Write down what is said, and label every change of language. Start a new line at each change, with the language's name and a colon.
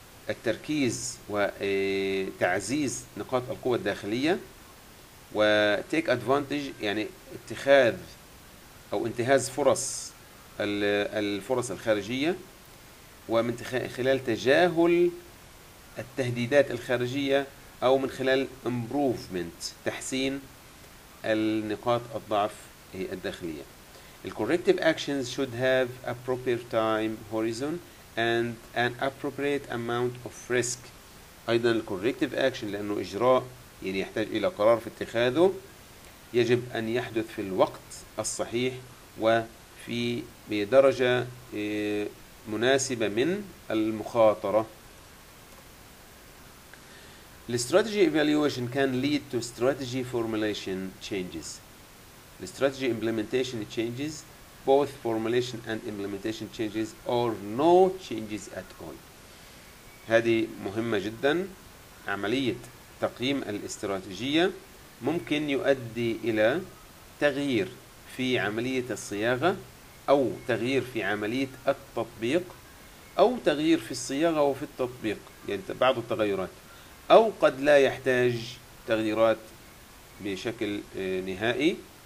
Arabic: التركيز وتعزيز نقاط القوة الداخلية، و
English: take advantage
Arabic: يعني اتخاذ أو انتهاز الفرص الخارجية، ومن خلال تجاهل التهديدات الخارجية، أو من خلال improvement تحسين النقاط الضعف الداخلية.
English: The corrective actions should have a proper time horizon and an appropriate amount of risk.
Arabic: أيضا ال corrective action، لأنه إجراء يعني يحتاج إلى قرار في اتخاذه، يجب أن يحدث في الوقت الصحيح وفي بدرجة مناسبة من المخاطرة.
English: The strategy evaluation can lead to strategy formulation changes. The strategy implementation changes, both formulation and implementation changes, or no changes at all.
Arabic: هذه مهمة جدا. عملية تقييم الاستراتيجية ممكن يؤدي إلى تغيير في عملية الصياغة، أو تغيير في عملية التطبيق، أو تغيير في الصياغة وفي التطبيق، يعني بعض التغيرات، أو قد لا يحتاج تغييرات بشكل نهائي.